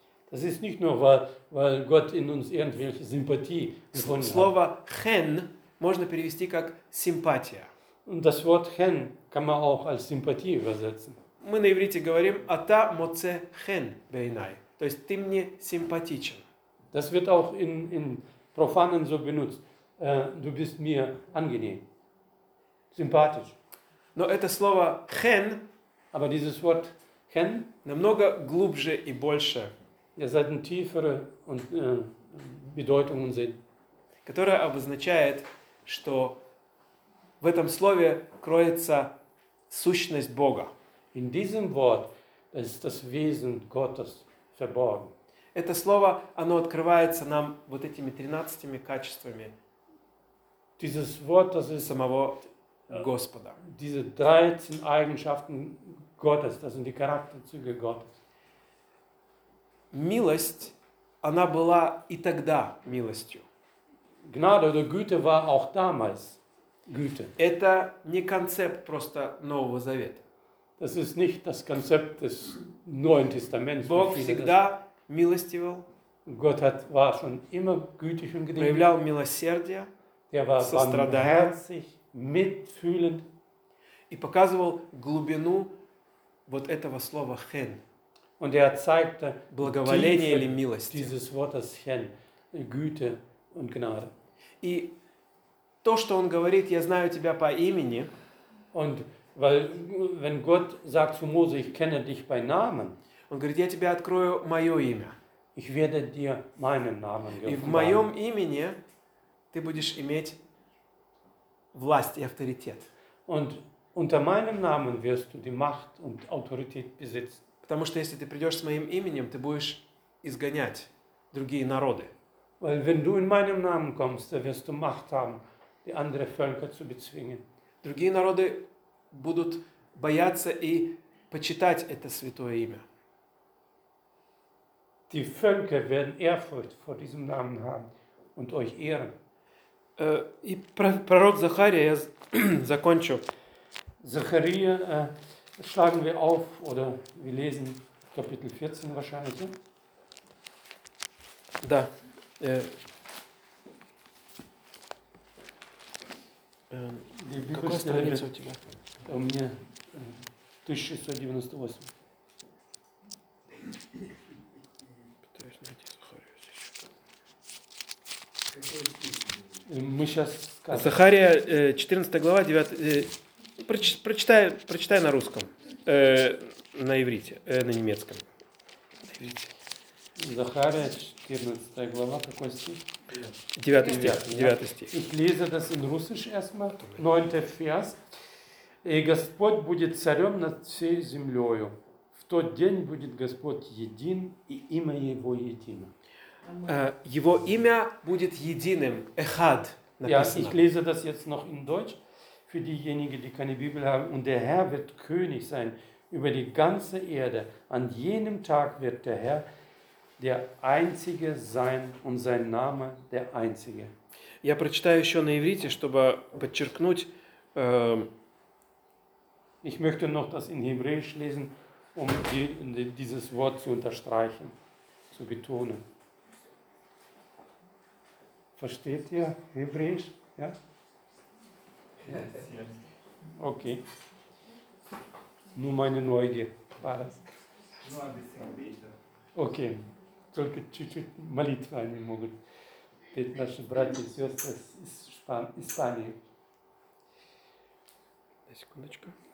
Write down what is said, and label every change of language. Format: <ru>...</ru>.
<de>Das ist nicht nur, weil Gott in uns irgendwelche Sympathie gefunden hat.</de> <ru>Слово «хен» можно перевести как «симпатия».</ru> <de>Und das Wort «хен» kann man auch als Sympathie übersetzen.</de> <ru>Мы на иврите говорим «ата моце хен бейнай», то есть «ты мне симпатичен».</ru> <de>Das wird auch in Profanen so benutzt. Du bist mir angenehm. Sympathisch.</de> <ru>Но это слово «хен»,</ru> <de>aber dieses Wort «хен»</de> <ru>намного глубже и больше.</ru> <de>Ihr seid eine tiefere und Bedeutung und Sinn.</de> <ru>Которая обозначает, что в этом слове кроется сущность Бога.</ru> <de>In diesem Wort ist das Wesen Gottes verborgen.</de> <ru>Это слово, оно открывается нам вот этими 13 качествами.</ru> <de>Dieses Wort, das ist</de> <ru>самого Господа.</ru> <de>Diese 13 Eigenschaften Gottes, das sind die Charakterzüge Gottes.</de> <ru>Милость, она была и тогда милостью.</ru> <de>Gnade oder Güte war auch damals Güte.</de> <ru>Это не концепт просто Нового Завета.</ru> <de>Das ist nicht das Konzept des Neuen Testaments.</de> <ru>Бог всегда милостивил.</ru> <de>Gott hat, war schon immer gütig und gnädig.</de> <ru>Проявлял милосердие.</ru> <de>Er war</de> <ru>сострадающий,</ru> <de>mitfühlend.</de> <ru>И показывал глубину вот этого слова хен.</ru> <de>Und er zeigte</de> <ru>благоволение или милость.</ru> <de>Dieses Wortes хен, Güte und Gnade.</de> <ru>И то, что он говорит, я знаю тебя по имени.</ru> <de>Und weil wenn Gott sagt zu Mose, ich kenne dich bei Namen.</de> <ru>Он говорит, я тебе открою мое имя.</ru> <de>Ich werde dir meinen Namen geben.</de> <ru>И в моем имени ты будешь иметь власть и авторитет.</ru> <de>Und unter meinem Namen wirst du die Macht und Autorität besitzen.</de> <ru>Потому что если ты придешь с моим именем, ты будешь изгонять другие народы.</ru> <de>Weil wenn du in meinem Namen kommst, dann wirst du Macht haben, die andere Völker zu bezwingen.</de> <ru>Другие народы будут бояться и почитать это святое имя.</ru> <de>Die Völker werden Ehrfurcht vor diesem Namen haben und euch ehren.</de> <ru>И пророк Захария, я закончу.</ru> <de>Захария, schlagen wir auf, oder wir lesen Kapitel 14 wahrscheinlich.</de> <ru>Да.</ru> <de>Die Bibel ist bei mir.</de> <ru>У меня 1698. Мы сейчас скажем. Захария, 14 глава, 9... Прочитай на русском, на иврите, на немецком. На иврите. Захария, 14 глава, какой стих? 9 стих. 9 стих.</ru> <de>Ich lese das in Russisch erstmal, 9 Vers.</de> <ru>И Господь будет царем над всей землею. В тот день будет Господь един, и имя Его едино. Его имя будет единым, Эхад, написано.</ru> <de>Ich lese das jetzt noch in Deutsch. Für diejenigen, die keine Bibel haben. Und der Herr wird König sein über die ganze Erde. An jenem Tag wird der Herr der Einzige sein und sein Name der Einzige.</de> <ru>Я прочитаю еще на иврите, чтобы подчеркнуть.</ru> <de>Ich möchte noch das in Hebräisch lesen, um dieses Wort zu unterstreichen, zu betonen. Versteht ihr Hebräisch? Ja? Okay. Nur meine Neugier war das. Nur ein bisschen beten.</de> <ru>Okay. Только чуть-чуть молитва они могут. Ведь наши братья и сестры из Испании. Дай секундочку.</ru>